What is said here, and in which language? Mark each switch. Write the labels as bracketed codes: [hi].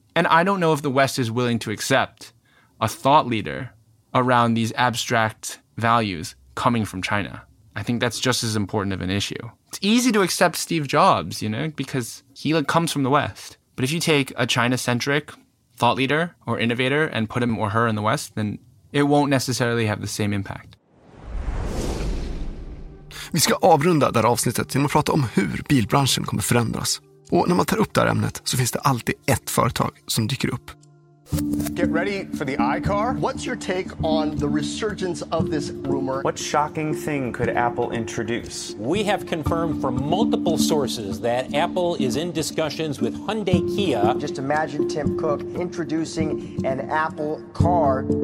[en] And I don't know if the West is willing to accept a thought leader around these abstract values coming from China. I think that's just as important of an issue. It's easy to accept Steve Jobs, you know, because he comes from the West. But if you take a China-centric thought leader or innovator and put him or her in the West, then it won't necessarily have the same impact. [sv] Vi ska avrunda det här avsnittet genom att prata om hur bilbranschen kommer förändras. Och när man tar upp det här ämnet så finns det alltid ett företag som dyker upp. [en] Get ready for the iCar. What's your take on the resurgence of this rumor? What shocking thing could Apple introduce? We have confirmed from multiple sources that Apple is in discussions with Hyundai Kia. Just imagine Tim Cook introducing an Apple car.